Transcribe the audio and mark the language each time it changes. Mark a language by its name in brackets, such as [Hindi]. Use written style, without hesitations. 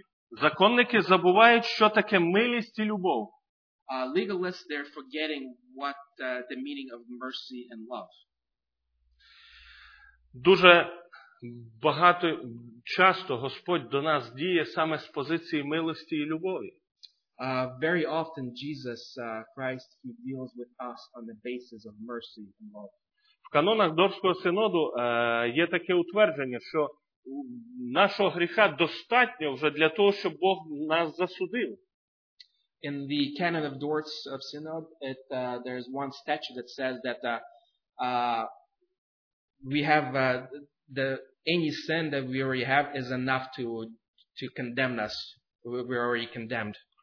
[Ukrainian] Законники забувають, що таке милість і любов. [English] Legalists, they're forgetting what the meaning of mercy and love. [Ukrainian] Дуже багато часто Господь до нас діє саме з позиції милості і любові. [English] Very often Jesus Christ he deals with us on the basis of mercy and love. [Ukrainian] В канонах Дорфського синоду є таке утвердження, що нашого гріха достатньо вже для того, щоб Бог нас засудив. [English] In the canon of Dort's of Synod, it there's one statute that says that we have the any sin that we already have is enough to condemn us. We are already condemned.